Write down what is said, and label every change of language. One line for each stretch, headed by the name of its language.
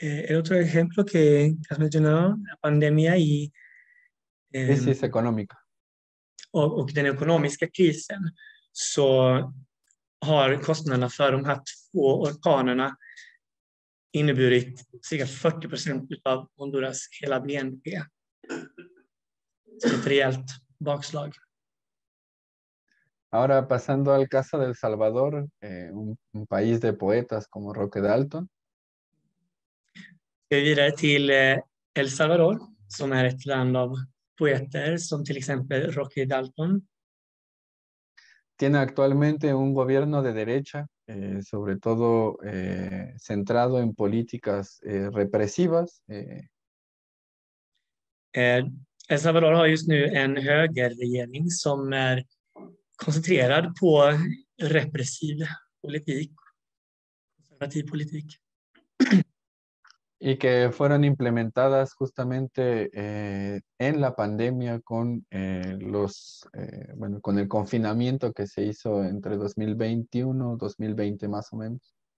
Spanish: Otro ejemplo que has mencionado, la pandemia y crisis económica.
Swedish: Och den ekonomiska krisen så har kostnaderna för de här två orkanerna inneburit cirka 40% av Honduras hela BNP. Så ett rejält bakslag.
Spanish: Ahora pasando al caso del Salvador, un país de poetas como Roque Dalton.
Swedish: Vi går vidare till El Salvador som är ett land av poeter som till exempel Roque Dalton.
Spanish: Tiene actualmente un gobierno de derecha, sobre todo centrado en políticas represivas.
Swedish: El Salvador har just nu en högerregering som är koncentrerad på repressiv politik, konservativ politik.
Spanish: Y que fueron implementadas justamente en la pandemia con los bueno, con el confinamiento que se hizo entre 2021 y 2020 más o menos.